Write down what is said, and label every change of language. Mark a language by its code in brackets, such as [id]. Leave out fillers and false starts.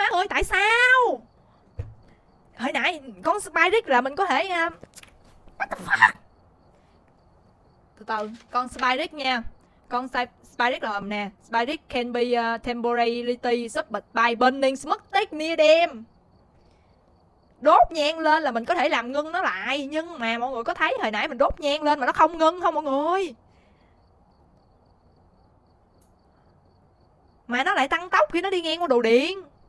[vi] Tại sao? Hồi nãy con Spyric là mình có thể từ từ, con Spyric nha. Con Spyric là nè, [en] Spyric can be temporarily stopped by burning smoke near them. [vi] Đốt nhang lên là mình có thể làm ngưng nó lại, nhưng mà mọi người có thấy hồi nãy mình đốt nhang lên mà nó không ngưng không mọi người? Mà nó lại tăng tốc khi nó đi ngang qua đồ điện.